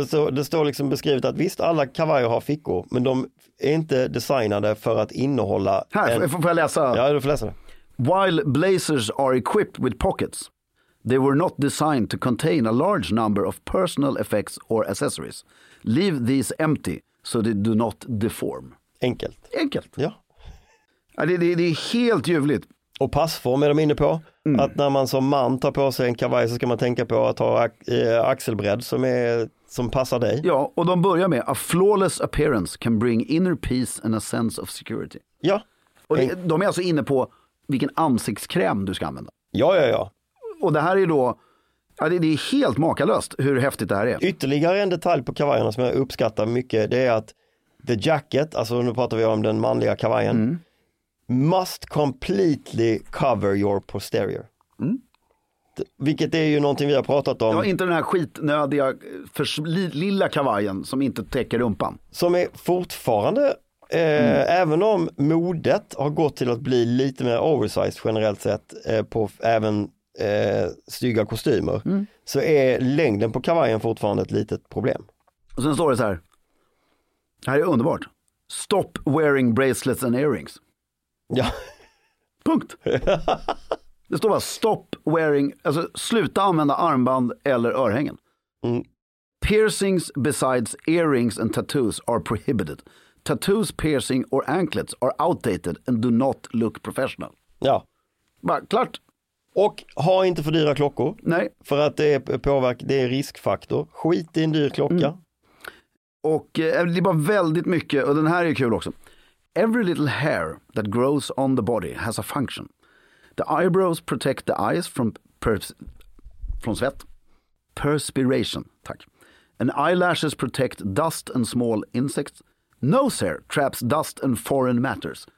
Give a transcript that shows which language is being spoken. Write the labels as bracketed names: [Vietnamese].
[Swedish] Det står liksom beskrivet att visst, alla kavajer har fickor, men de är inte designade för att innehålla. Här, får jag läsa? Ja, du får läsa det. [English] While blazers are equipped with pockets, they were not designed to contain a large number of personal effects or accessories. Leave these empty so they do not deform. [Swedish] Enkelt. Enkelt. Ja. Det är helt ljuvligt. Och passform är de inne på. Mm. Att när man som man tar på sig en kavaj så ska man tänka på att ha axelbredd som passar dig. Ja, och de börjar med [English] a flawless appearance can bring inner peace and a sense of security. [Swedish] Ja. Och de är alltså inne på vilken ansiktskräm du ska använda. Ja, ja, ja. Och det här är då, ja, det är helt makalöst hur häftigt det här är. Ytterligare en detalj på kavajerna som jag uppskattar mycket, det är att [English] the jacket, [Swedish] alltså nu pratar vi om den manliga kavajen, [English] must completely cover your posterior. [Swedish] Vilket är ju någonting vi har pratat om. Ja, inte den här skitnödiga lilla kavajen som inte täcker rumpan. Som är fortfarande, även om modet har gått till att bli lite mer oversized generellt sett på även snygga kostymer, så är längden på kavajen fortfarande ett litet problem. Och sen står det här är underbart. [English] Stop wearing bracelets and earrings. [Swedish] Ja. Punkt. Det står bara [English] stop wearing, [Swedish] alltså sluta använda armband eller örhängen. [English] Piercings besides earrings and tattoos are prohibited. Tattoos, piercing or anklets are outdated and do not look professional. [Swedish] Ja. Bara klart. Och ha inte för dyra klockor. Nej. För att det är riskfaktor. Skit i en dyr klocka. Och det är bara väldigt mycket, och den här är kul också. [English] Every little hair that grows on the body has a function. The eyebrows protect the eyes from sweat. Perspiration, tack. And eyelashes protect dust and small insects. Nose hair traps dust and foreign matters.